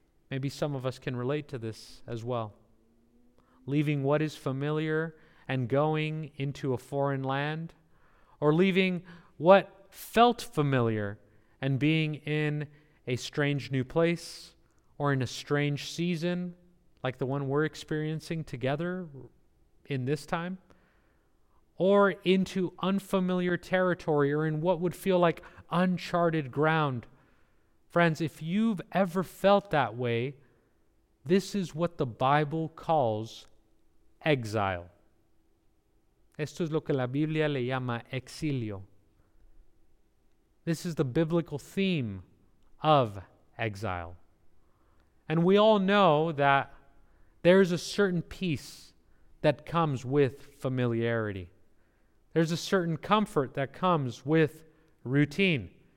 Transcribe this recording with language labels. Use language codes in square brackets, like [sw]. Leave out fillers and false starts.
[en] Maybe some of us can relate to this as well. Leaving what is familiar and going into a foreign land, or leaving what felt familiar and being in a strange new place or in a strange season, like the one we're experiencing together in this time, or into unfamiliar territory or in what would feel like uncharted ground. Friends, if you've ever felt that way, this is what the Bible calls exile. [es] Esto es lo que la Biblia le llama exilio. [en] This is the biblical theme of exile. And we all know that there is a certain peace that comes with familiarity. There's a certain comfort that comes with routine.